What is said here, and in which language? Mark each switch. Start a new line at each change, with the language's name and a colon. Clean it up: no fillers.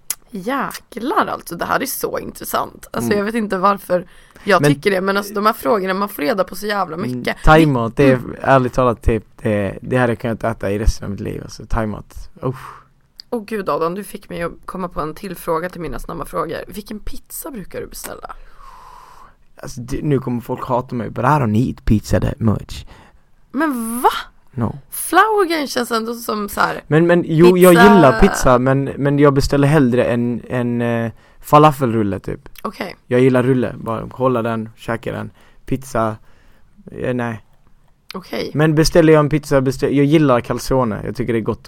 Swedish: Jäklar alltså, det här är så intressant. Alltså jag vet inte varför jag men, tycker det, men alltså de här frågorna, man får reda på så jävla mycket. Thai-mat, det är ärligt talat typ det här kan jag inte äta i resten av mitt liv. Alltså thai-mat, usch. Åh gud Adam, du fick mig att komma på en till fråga till mina snabba frågor. Vilken pizza brukar du beställa? Alltså det, nu kommer folk hata mig,
English: but I don't eat pizza that much.
Swedish: Men va?
English: No.
Swedish: Flower game känns ändå som så här. Men jo, pizza. Jag gillar pizza, men jag beställer hellre en falafelrulle typ. Okej.
English: Okay.
Swedish: Jag gillar rulle, bara hålla den, käka den. Pizza, nej. Okej.
English: Okay.
Swedish: Men beställer jag en pizza, jag gillar calzone, jag tycker det är gott.